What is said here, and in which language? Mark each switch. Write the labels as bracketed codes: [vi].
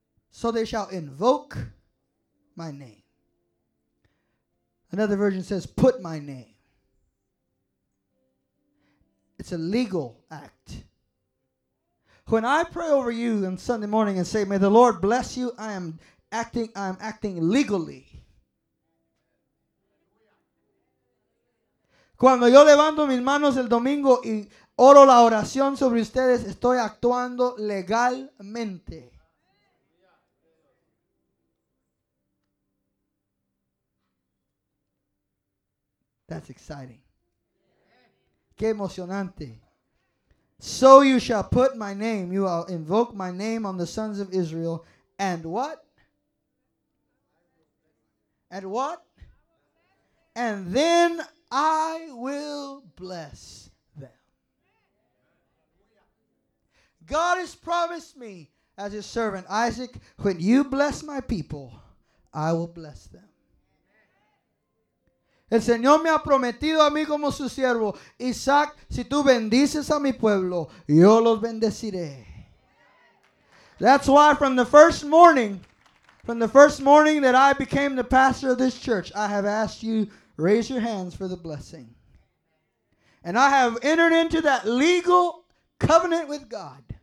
[en] So they shall invoke my name. Another version says, put my name. It's a legal act. When I pray over you on Sunday morning and say, may the Lord bless you, I am acting legally. [es] Cuando yo levanto mis manos el domingo y oro la oración sobre ustedes, estoy actuando legalmente. [en] That's exciting. [es] Qué emocionante. [en] So you shall put my name, you will invoke my name on the sons of Israel, and what? And what? And then I will bless them. God has promised me as his servant, Isaac, when you bless my people, I will bless them. [es] El Señor me ha prometido a mí como su siervo, Isaac, si tú bendices a mi pueblo, yo los bendeciré. [en] That's why from the first morning that I became the pastor of this church, I have asked you, raise your hands for the blessing. And I have entered into that legal covenant with God.